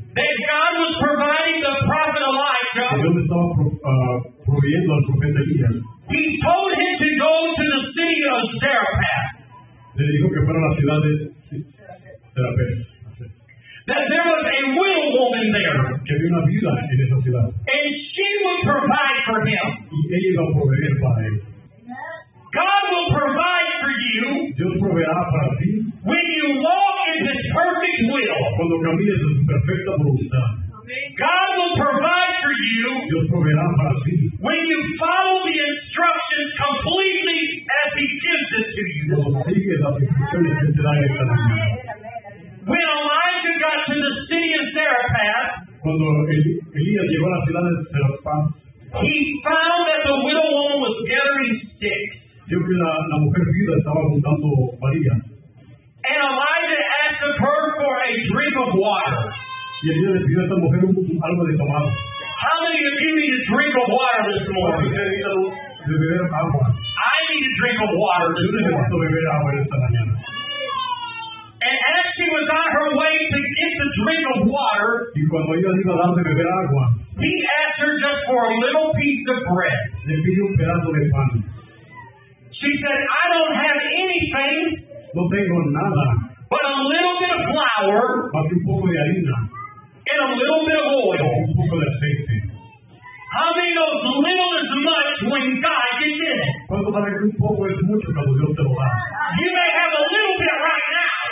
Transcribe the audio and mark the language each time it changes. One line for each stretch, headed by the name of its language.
English: that God was providing the prophet Elijah,
Spanish: Dios estaba proveyendo al profeta Elías,
English: he told him to go to the city of Zarephath.
Spanish: Le dijo que fuera a la ciudad de Zarephath.
English: That there was a widow woman there.
Spanish: Que había una viuda en esa ciudad.
English: And she would provide for him.
Spanish: Y ella iba a proveer para él.
English: God will provide for you.
Spanish: Dios proveerá para ti.
English: When you walk in His perfect will.
Spanish: Cuando camines en su perfecta voluntad.
English: God will provide for you.
Spanish: Dios proveerá para ti.
English: When you follow the instructions completely as He gives it to you.
Spanish: Cuando sigues las instrucciones que te da en esta mañana.
English: When Elijah got to the city of Zarephath.
Spanish: Cuando Elías llegó a la ciudad de Zarephath.
English: He found that the widow woman was gathering sticks.
Spanish: Vio que la mujer viuda estaba juntando varilla.
English: And Elijah asked her for a drink of water.
Spanish: Y Elías le pidió a esta mujer algo de tomar.
English: How many of you need a drink of water this morning?
Spanish: Yo necesito beber agua.
English: I need a drink of water this morning.
Spanish: Yo necesito beber agua esta mañana.
English: And as she was on her way to get the drink of water,
Spanish: y cuando ella iba a darle beber agua,
English: he asked her just for a little piece of bread.
Spanish: Le pidió un pedazo de pan.
English: She said, I don't have anything.
Spanish: No tengo nada.
English: But a little bit of flour.
Spanish: Más un poco de harina.
English: And a little bit of oil.
Spanish: Un poco de aceite.
English: How many know little is much when God gets in it?
Spanish: ¿Cuánto vale que un poco es mucho cuando Dios te lo da?
English: You may have a little bit right now.